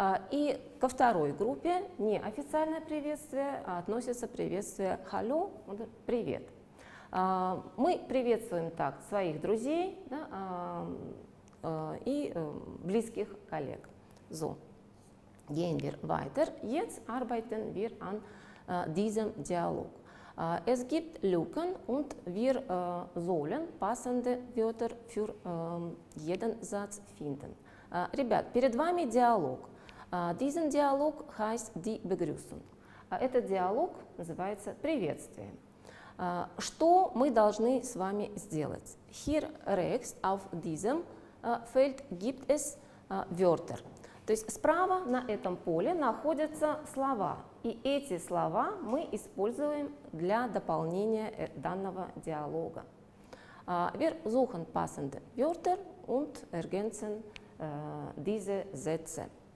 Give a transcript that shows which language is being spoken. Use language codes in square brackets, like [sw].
[ru] И ко второй группе неофициальное приветствие относится приветствие «Hallo», «Привет». Мы приветствуем так своих друзей, да, и близких коллег. [de] So, gehen wir weiter. Jetzt arbeiten wir an diesem Dialog. Es gibt Lücken und wir sollen passende Wörter für jeden Satz finden. [ru] Ребят, перед вами диалог. [de] Diesen Dialog heißt die Begrüßung. [ru] Этот диалог называется приветствие. Что мы должны с вами сделать? [de] Hier rechts auf diesem Feld gibt es Wörter. [ru] То есть справа на этом поле находятся слова, и эти слова мы используем для дополнения данного диалога. [de] Wir suchen passende Wörter und ergänzen diese Sätze.